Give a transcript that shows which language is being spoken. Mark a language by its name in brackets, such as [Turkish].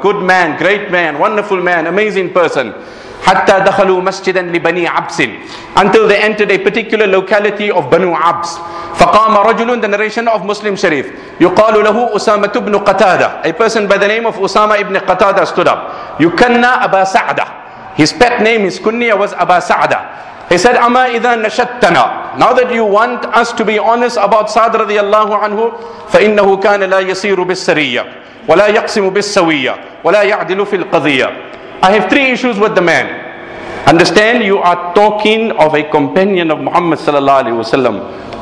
[English] Good man, great man, wonderful man, amazing person. [Arabic] حَتَّى دَخَلُوا مَسْجِدًا لِبَنِي عَبْسٍ. [English] Until they entered a particular locality of Banu Abs. [Arabic] فَقَامَ رَجُلٌ, [English] the narration of Muslim Sharif. [Arabic] يُقَالُ لَهُ أُسَامَةُ بْنُ قَتَادَةَ. [English] A person by the name of Usama ibn Qatada stood up. [Arabic] يُكَنَّ أَبَا سَعْدَ. [English] His pet name, his kunya was Aba Sa'da. He said, [Arabic] أَمَا إِذَا نَشَتَّنَا. [English] Now that you want us to be honest about Sa'd radiallahu anhu, [Arabic] فَإِنَّهُ كَانَ لَا يَسِيرُ بِالسَّرِيَّةِ وَلَا يَقْسِمُ بِالسَّوِيَّةِ وَلَا يَعْدِلُ فِي الْقَضِيَّةِ. [English] I have three issues with the man. Understand, you are talking of a companion of Muhammad sallallahu alayhi wa sallam.